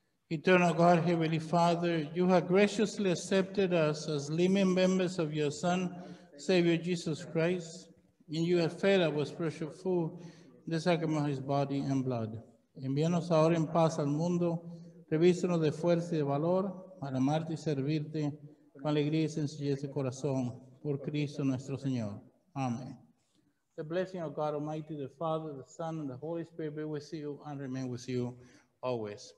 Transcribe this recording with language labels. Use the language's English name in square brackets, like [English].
[English] Eternal God, Heavenly Father, you have graciously accepted us as living members of your Son, Savior Jesus Christ, and you have fed our spiritual food, the sacrament of his body and blood. [Spanish] Envíanos ahora en paz al mundo, revístenos de fuerza y de valor, para amarte y servirte con alegría y sencillez de corazón, por Cristo nuestro Señor. Amén. [English] The blessing of God Almighty, the Father, the Son, and the Holy Spirit be with you and remain with you always.